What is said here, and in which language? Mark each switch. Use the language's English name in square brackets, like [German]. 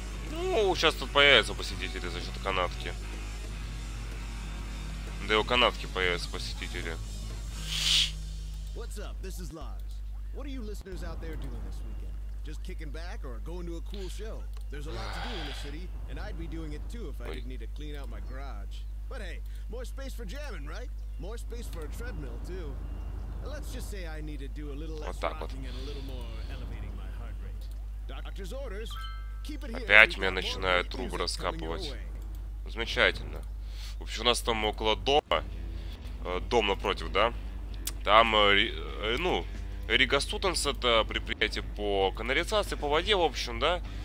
[Russian] Ну, сейчас тут появятся посетители за счет канатки. Да и у канатки появятся посетители. [English] What's up? This is Lars. What are you listeners out there doing this weekend? Just kicking back or going to a cool show? There's a lot to do in the city, and I'd be doing it too if I didn't need to clean out my garage. But hey, more space for jamming, right? More space for a treadmill too. Let's just say I need to do a little less rocking and a little more elevating my heart rate. Doctor's orders. Keep it here. [Russian] Опять меня начинают трубы раскапывать. Замечательно. В общем, у нас там около дома, дом напротив, да? Там, ну, Рига Сутенс — это предприятие по канализации, по воде, в общем, да?